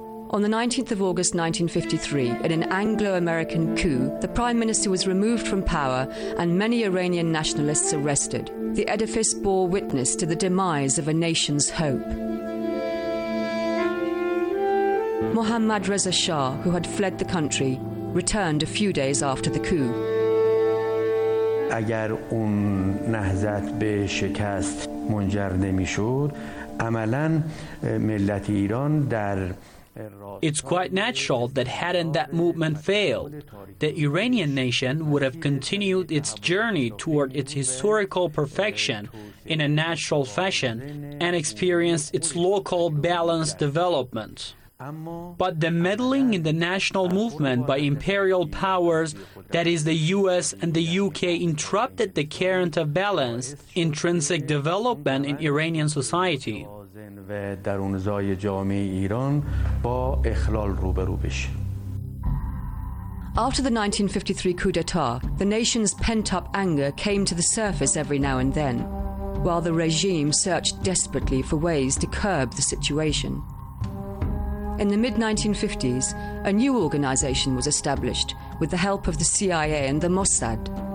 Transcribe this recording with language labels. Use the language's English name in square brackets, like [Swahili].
[English] On the 19th of August 1953, in an Anglo-American coup, the Prime Minister was removed from power and many Iranian nationalists arrested. The edifice bore witness to the demise of a nation's hope. Mohammad Reza Shah, who had fled the country, returned a few days after the coup. [Persian] اگر اون نهضت به شکست منجر نمی‌شد، عملاً ملت ایران در [English] It's quite natural that hadn't that movement failed, the Iranian nation would have continued its journey toward its historical perfection in a natural fashion and experienced its local balanced development. But the meddling in the national movement by imperial powers, that is the US and the UK, interrupted the current of balance, intrinsic development in Iranian society. [Persian] و درون زای جامعه ایران با اخلال روبرو بشه. [English] After the 1953 coup d'etat, the nation's pent-up anger came to the surface every now and then, while the regime searched desperately for ways to curb the situation. In the mid-1950s, a new organization was established with the help of the CIA and the Mossad.